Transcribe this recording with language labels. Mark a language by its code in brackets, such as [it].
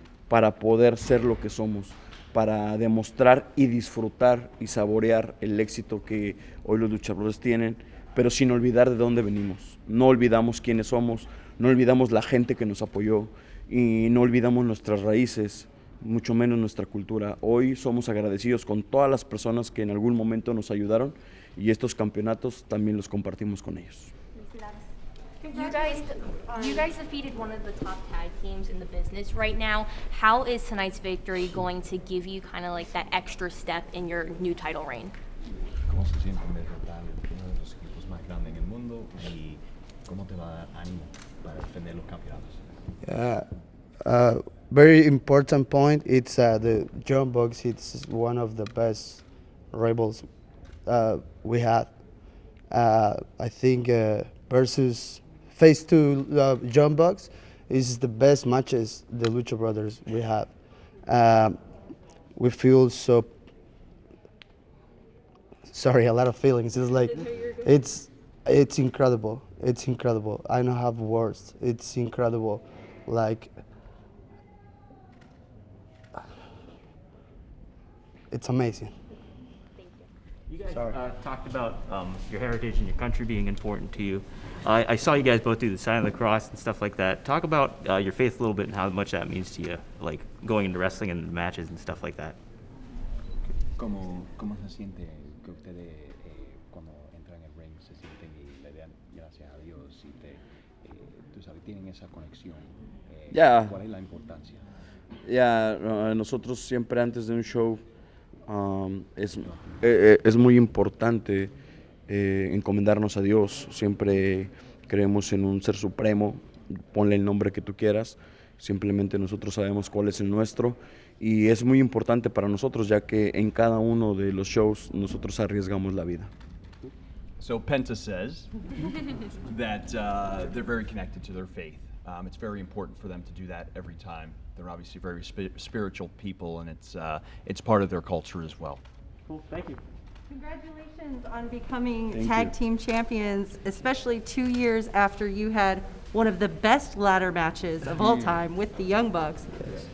[es] para poder ser lo que somos, para demostrar y disfrutar y saborear el éxito que hoy los luchadores tienen, pero sin olvidar de dónde venimos. No olvidamos quiénes somos, no olvidamos la gente que nos apoyó y no olvidamos nuestras raíces, mucho menos nuestra cultura. Hoy somos agradecidos con todas las personas que en algún momento nos ayudaron y estos campeonatos también los compartimos con ellos. [en] You guys defeated one of the top tag teams in the business right now. How is tonight's victory going to give you kind of like that extra step in your new title reign? [es] ¿Cómo se siente en ver tal uno de los equipos más grandes en el mundo y cómo te va a dar ánimo para defender los campeonatos? [en] Very important point. It's the John Box. It's one of the best rivals we had. I think versus face to John Box is the best matches the Lucha Brothers we have. We feel so sorry. A lot of feelings. It's like it's incredible. It's incredible. I don't have words. It's incredible. Like. It's amazing. Thank you. You guys talked about your heritage and your country being important to you. I saw you guys both do the sign of the cross and stuff like that. Talk about your faith a little bit and how much that means to you, like going into wrestling and matches and stuff like that. [es] ¿Cómo se siente que ustedes cuando entran en el ring se sienten y le dan gracias a Dios y te tú sabes tienen esa conexión? [en] Yeah. [es] ¿Cuál es la importancia? Yeah, nosotros siempre antes de un show es muy importante encomendarnos a Dios. Siempre creemos en un ser supremo, ponle el nombre que tú quieras, simplemente nosotros sabemos cuál es el nuestro y es muy importante para nosotros ya que en cada uno de los shows nosotros arriesgamos la vida. [en] So Penta says that they're very connected to their faith. It's very important for them to do that every time. They're obviously very spiritual people, and it's part of their culture as well. Cool, thank you. Congratulations on becoming team champions, especially 2 years after you had one of the best ladder matches of all time with the Young Bucks. Yes.